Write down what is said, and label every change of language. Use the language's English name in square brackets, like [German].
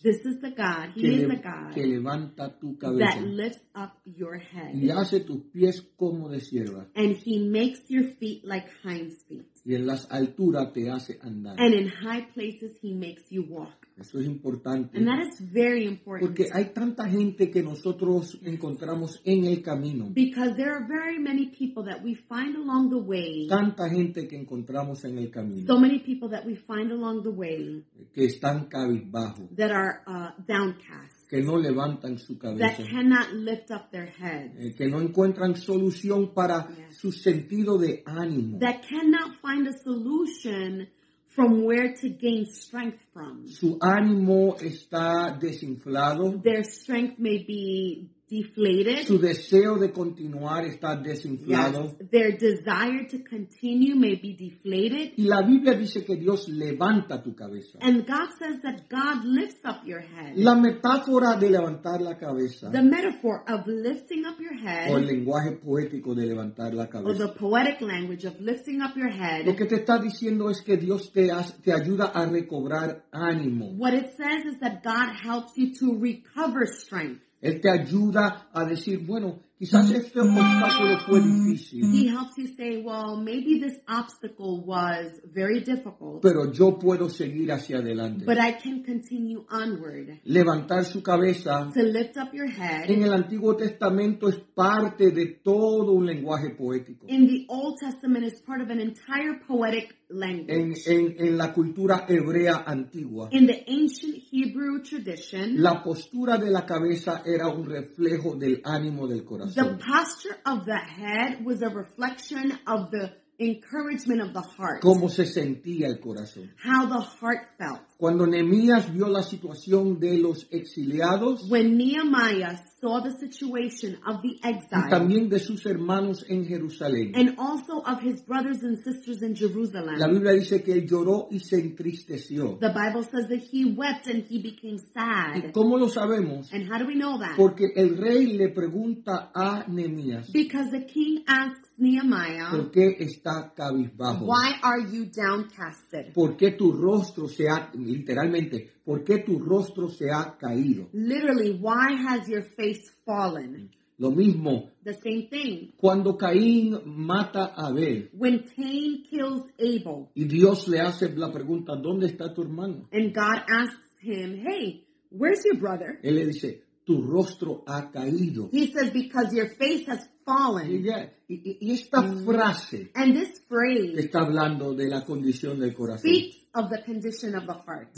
[English] This is the God. He is the God. [Spanish] Que levanta tu cabeza. [English] That lifts up your head. [Spanish] Y hace tus pies como de sierva. [English] And he makes your feet like hinds feet. [Spanish] Y en las alturas te hace andar. [English] And in high places he makes you walk. [Spanish] Eso es importante. [English] And that is very important. [Spanish] Porque hay tanta gente que nosotros encontramos en el camino. [English] Because there are very many people that we find along the way. [Spanish] Tanta gente que encontramos en el camino. [English] So many people that we find along the way. [Spanish] Que están cabizbajo. [English] That are downcast. [Spanish] Que no levantan su cabeza. [English] That cannot lift up their heads. [Spanish] Que no encuentran solución para su sentido de ánimo. [English] That cannot find a solution from where to gain strength from. [Spanish] Su ánimo está desinflado. [English] Their strength may be deflated. [Spanish] Su deseo de continuar está desinflado. [English] Yes. Their desire to continue may be deflated. [Spanish] Y la Biblia dice que Dios levanta tu cabeza. [English] And God says that God lifts up your head. [Spanish] La metáfora de levantar la cabeza. [English] The metaphor of lifting up your head. [Spanish] O el lenguaje poético de levantar la cabeza. [English] Or the poetic language of lifting up your head. [Spanish] Lo que te está diciendo es que Dios te ayuda a recobrar ánimo. [English] What it says is that God helps you to recover strength. [Spanish] Él te ayuda a decir, bueno, quizás este obstáculo fue difícil. [English] He helps you say, well, maybe this obstacle was very difficult. [Spanish] Pero yo puedo seguir hacia adelante. [English] But I can continue onward. [Spanish] Levantar su cabeza. [English] To lift up your head. [Spanish] En el Antiguo Testamento es parte de todo un lenguaje poético. [English] In the Old Testament is part of an entire poetic language. [Spanish] En la cultura hebrea antigua. [English] In the ancient Hebrew tradition. [Spanish] La postura de la cabeza era un reflejo del ánimo del corazón. [English] The posture of the head was a reflection of the encouragement of the heart. [Spanish] Cómo se sentía el corazón. [English] How the heart felt. [Spanish] Cuando Nehemías vio la situación de los exiliados. [English] When Nehemiah saw the situation of the exiles. [Spanish] Y también de sus hermanos en Jerusalén. [English] And also of his brothers and sisters in Jerusalem. [Spanish] La Biblia dice que él lloró y se entristeció. [English] The Bible says that he wept and he became sad. [Spanish] ¿Y cómo lo sabemos? [English] And how do we know that? [Spanish] Porque el rey le pregunta a Nehemías. [English] Because the king asks Nehemiah, [Spanish] ¿por qué está cabizbajo? [English] Why are you downcasted? [Spanish] ¿Por qué tu rostro se ha, literalmente, ¿por qué tu rostro se ha caído? [English] Literally, why has your face fallen? [Spanish] Lo mismo. [English] The same thing. [Spanish] Cuando Caín mata a Abel. [English] When Cain kills Abel. [Spanish] Y Dios le hace la pregunta, ¿dónde está tu hermano? [English] And God asks him, hey, where's your brother? [Spanish] Él le dice, tu rostro ha caído. [English] He says, because your face has fallen. [Spanish] Y esta frase. [English] And this phrase. [Spanish] Está hablando de la condición del corazón. [English] Speaks of the condition of the heart.